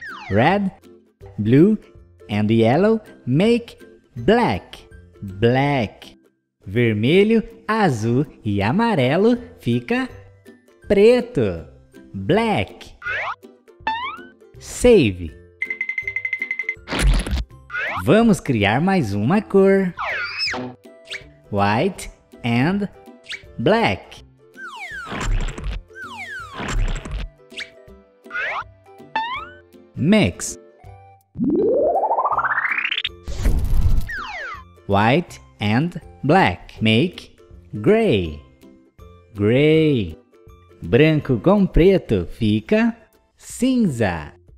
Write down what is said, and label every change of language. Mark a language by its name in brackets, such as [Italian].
[English] Red, blue and yellow make black. Black. [Portuguese] Vermelho, azul e amarelo fica preto. [English] Black. Save. [Portuguese] Vamos criar mais uma cor. [English] white and black. Mix. White and black make gray. Gray. [Portuguese] Branco com preto fica cinza.